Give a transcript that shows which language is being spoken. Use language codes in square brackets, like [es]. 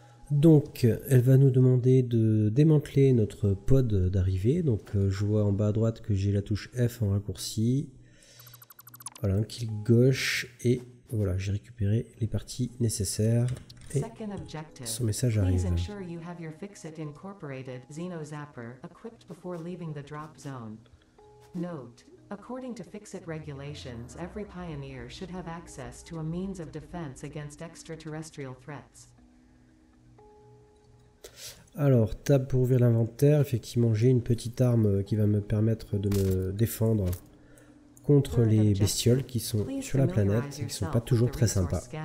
[fr] Donc, elle va nous demander de démanteler notre pod d'arrivée. Donc, je vois en bas à droite que j'ai la touche F en raccourci. Voilà, un clic gauche et voilà, j'ai récupéré les parties nécessaires et son message arrive. [en] Please ensure you have your Fixit Incorporated Xeno Zapper equipped before leaving the drop zone. Note: According to Fixit regulations, every pioneer should have access to a means of defense against extraterrestrial threats. [fr] Alors, tab pour ouvrir l'inventaire. Effectivement, j'ai une petite arme qui va me permettre de me défendre contre les bestioles qui sont sur la planète et qui ne sont pas toujours très sympas.